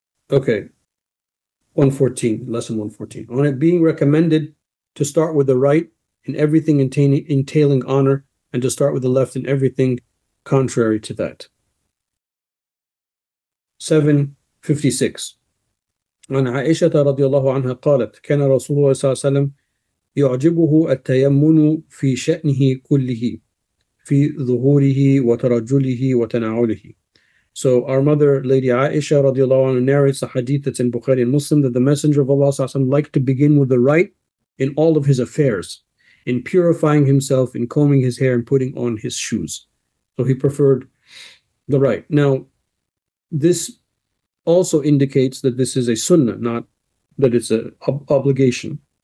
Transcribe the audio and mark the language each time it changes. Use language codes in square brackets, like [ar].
[en] Okay, 114, lesson 114. On it being recommended to start with the right in everything entailing honor, and to start with the left in everything contrary to that. 756. [ar] عن عائشة رضي الله عنها قالت كان رسول الله صلى الله عليه وسلم يعجبه التيمن في شأنه كله في ظهوره وترجله وتناوله. [en] So our mother, Lady Aisha radiallahu anha, narrates a hadith that's in Bukhari and Muslim, that the Messenger of Allah sallallahu alaihi wasallam liked to begin with the right in all of his affairs, in purifying himself, in combing his hair, and putting on his shoes. So he preferred the right. Now, this also indicates that this is a sunnah, not that it's an obligation.